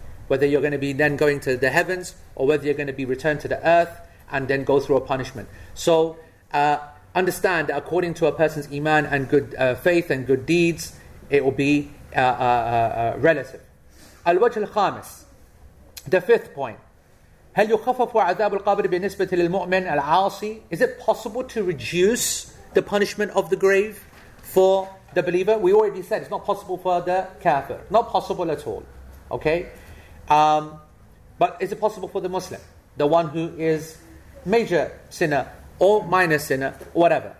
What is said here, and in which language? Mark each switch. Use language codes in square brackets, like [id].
[en] Whether you're going to be then going to the heavens or whether you're going to be returned to the earth and then go through a punishment. So understand that according to a person's iman and good faith and good deeds, it will be relative. Al-wajh al-khamis, the fifth point. [ar] هل يخفف عذاب القبر بالنسبة للمؤمن العاصي? [en] Is it possible to reduce the punishment of the grave for the believer? We already said it's not possible for the kafir. Not possible at all. Okay? But is it possible for the Muslim, the one who is major sinner or minor sinner, whatever?